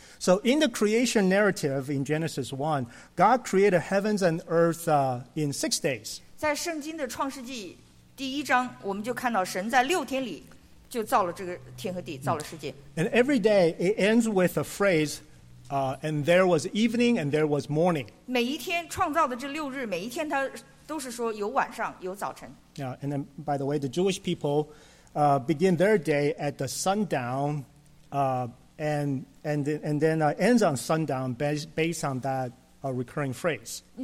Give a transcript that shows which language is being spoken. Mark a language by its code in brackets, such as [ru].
[en] So in the creation narrative in Genesis 1, God created heavens and earth in 6 days. [zh] 在圣经的创世纪第一章，我们就看到神在六天里 就造了这个天和地，造了世界。 [en] And every day it ends with a phrase, and there was evening and there was morning. [zh] 每一天创造的这六日，每一天它都是说有晚上，有早晨。 [en] Yeah, and then by the way, the Jewish people begin their day at the sundown, and then ends on sundown based on that recurring phrase.